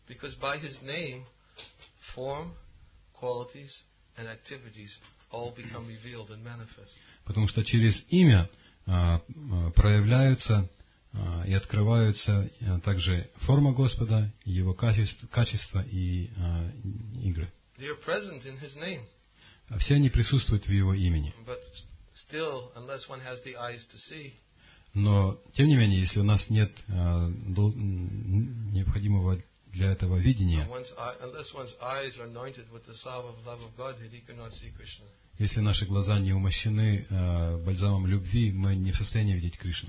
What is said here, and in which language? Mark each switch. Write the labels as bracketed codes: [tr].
[en] Because by his name, form, qualities and activities all become revealed and manifest. [ru] Потому что через имя проявляются и открываются также форма Господа, его качества и игры. [en] They are present in his name. [ru] Все они присутствуют в его имени. [en] But still, unless one has the eyes to see. [ru] Но тем не менее, если у нас нет необходимого для этого видения, [en] unless one's eyes are anointed with the salve of love of God, he cannot see Krishna. [ru] Если наши глаза не умощены бальзамом любви, мы не в состоянии видеть Кришну.